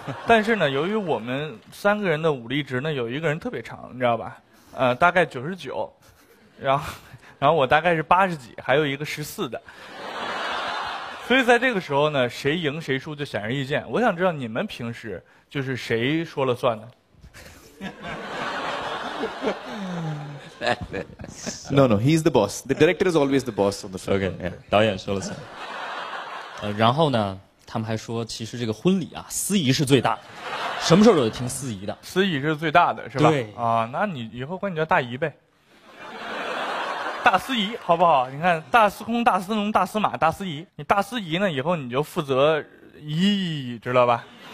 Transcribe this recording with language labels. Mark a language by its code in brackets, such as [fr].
[zh] 但是呢，由于我们三个人的武力值呢，有一个人特别长，你知道吧？大概99，然后我大概是80几，还有一个14的。所以在这个时候呢，谁赢谁输就显而易见。我想知道你们平时就是谁说了算呢 [en] ？No, he's the boss. The director is always the boss on the show. [zh] Okay, 导演说了算。然后呢，他们还说其实这个婚礼啊，司仪是最大的，什么时候都得听司仪的，司仪是最大的是吧？对啊，那你以后管你叫大姨呗，大司仪好不好？你看大司空、大司农、大司马、大司仪，你大司仪呢，以后你就负责仪，知道吧？